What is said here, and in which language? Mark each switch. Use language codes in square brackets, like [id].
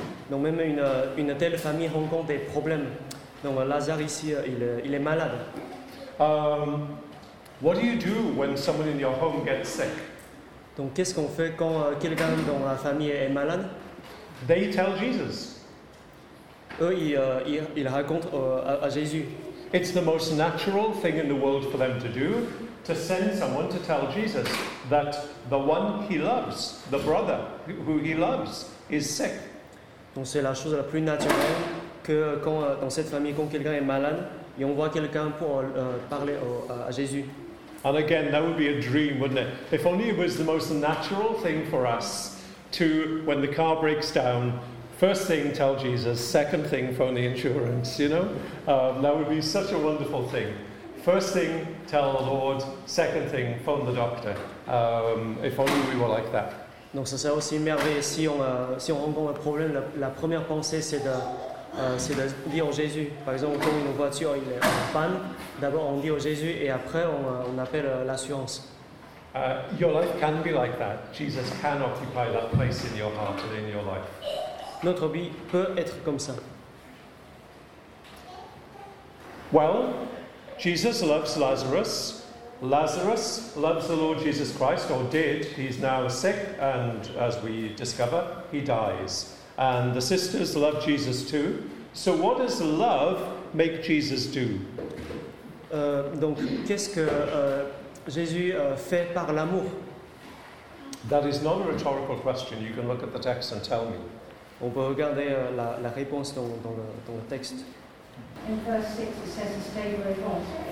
[fr] Donc même une telle famille rencontre des problèmes. Donc Lazare ici, il est malade. [en] What do you do when someone in your home gets sick? [fr] Donc qu'est-ce qu'on fait quand quelqu'un dans la famille est malade? [en] They tell Jesus. [fr] Eux, ils racontent à Jésus. [en] It's the most natural thing in the world for them to do, to send someone to tell Jesus that the one he loves, the brother who he loves, is sick. [fr] Donc c'est la chose la plus naturelle que quand dans cette famille quand quelqu'un est malade et on voit quelqu'un pour parler à Jésus. [en] And again, that would be a dream, wouldn't it? If only it was the most natural thing for us to, when the car breaks down, first thing tell Jesus, second thing phone the insurance. You know, that would be such a wonderful thing. First thing, tell the Lord. Second thing, phone the doctor. If only we were like that. [fr] Donc ça serait aussi merveilleux si on rencontre un problème, la première pensée c'est de dire au Jésus. Par exemple, quand une voiture il est en panne, d'abord on dit au Jésus et après on appelle l'assurance. [en] Your life can be like that. Jesus can occupy that place in your heart and in your life. [fr] Notre vie peut être comme ça. [en] Well, Jesus loves Lazarus. Lazarus loves the Lord Jesus Christ, or did. He's now sick, and as we discover, he dies. And the sisters love Jesus too. So what does love make Jesus do? [fr] Donc, qu'est-ce que Jésus fait par l'amour? [en] That is not a rhetorical question. You can look at the text and tell me. [fr] On peut regarder la réponse dans le texte. [en] In verse 6, it says the stay where it was.